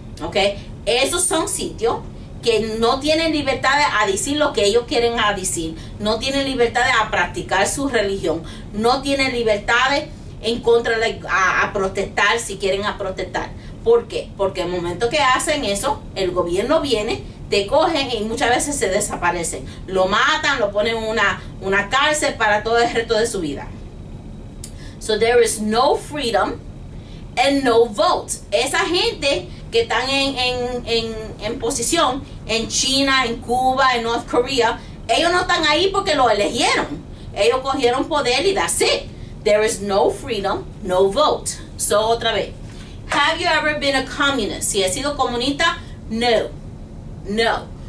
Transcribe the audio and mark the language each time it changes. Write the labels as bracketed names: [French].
[Spanish] Okay, esos son sitios que no tienen libertad de a decir lo que ellos quieren a decir, no tienen libertad de a practicar su religión, no tienen libertad de en contra de a protestar si quieren a protestar. ¿Por qué? Porque el momento que hacen eso, el gobierno viene, te cogen y muchas veces se desaparecen. Lo matan, lo ponen en una cárcel para todo el resto de su vida. [English] So there is no freedom and no vote. [Spanish] Esa gente que están en posición en China, en Cuba, en North Korea, ellos no están ahí porque lo eligieron. Ellos cogieron poder y [English] that's it. There is no freedom, no vote. So, [Spanish] otra vez. [English] Have you ever been a communist? [Spanish] Si he sido comunista, no. No.